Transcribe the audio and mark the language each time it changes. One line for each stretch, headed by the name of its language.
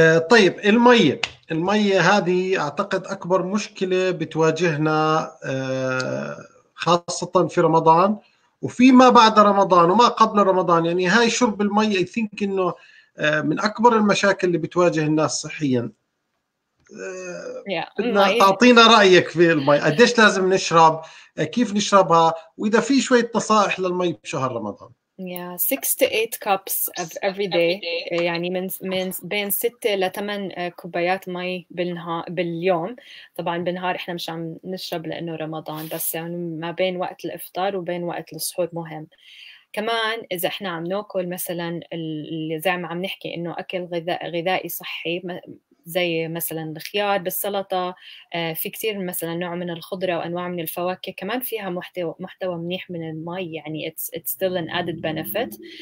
Arabic: طيب المية، المية هذه أعتقد أكبر مشكلة بتواجهنا خاصة في رمضان وفيما بعد رمضان وما قبل رمضان، يعني هاي شرب المي
English: I think
Arabic: إنه من أكبر المشاكل اللي بتواجه الناس صحياً. بدنا تعطينا رأيك في المي، قديش لازم نشرب، كيف نشربها، وإذا في شوية نصائح للمي بشهر رمضان.
English: Yeah, 6 to 8 cups of every day.
Arabic: يعني من بين 6 لـ 8 كوبايات مي باليوم. طبعاً بالنهار إحنا مش عم نشرب لأنه رمضان، بس يعني ما بين وقت الإفطار وبين وقت السحور مهم. كمان إذا إحنا عم نأكل مثلاً اللي زي ما عم نحكي إنه أكل غذائي صحي زي مثلاً الخيار بالسلطة، في كتير مثلاً نوع من الخضرة وأنواع من الفواكه كمان فيها محتوى منيح من المي، يعني
English: it's still an added benefit.